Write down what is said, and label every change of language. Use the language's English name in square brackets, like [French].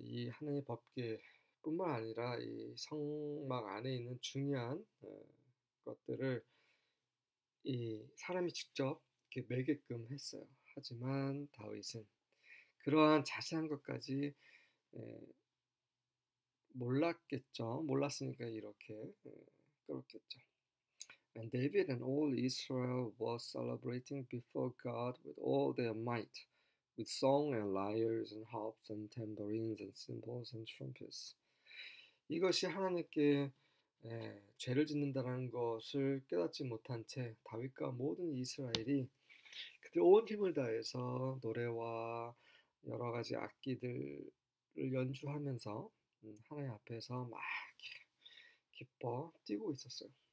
[Korean] 이 하나님의 법궤뿐만 아니라 이 성막 안에 있는 중요한 것들을 이 사람이 직접 이렇게 매게끔 했어요. 하지만 다윗은 그러한 자세한 것까지 몰랐겠죠. 몰랐으니까 이렇게 그렇겠죠. [English] And David and all Israel was celebrating before God with all their might, with song and lyres and harps and tambourines and cymbals and trumpets. [Korean] 이것이 하나님께 죄를 짓는다는 것을 깨닫지 못한 채 다윗과 모든 이스라엘이 그들 온 힘을 다해서 노래와 여러 가지 악기들을 연주하면서 하나님 앞에서 막 기뻐 뛰고 있었어요.